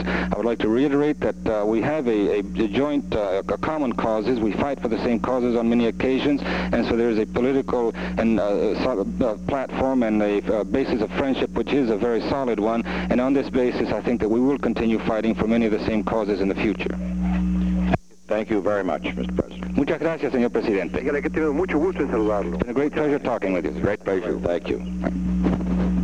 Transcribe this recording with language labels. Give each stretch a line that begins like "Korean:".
English: I would like to reiterate that we have a joint a common causes. We fight for the same causes on many occasions, and so there is a political and platform and a basis of friendship, which is a very solid one. And on this basis, I think that we will continue fighting for many of the same causes in the future. Thank you very much, Mr. President.
Spanish: Muchas gracias, señor presidente. Dígale que tengo mucho gusto en saludarlo.
English: It's been a great pleasure talking with you. Great pleasure. Thank you.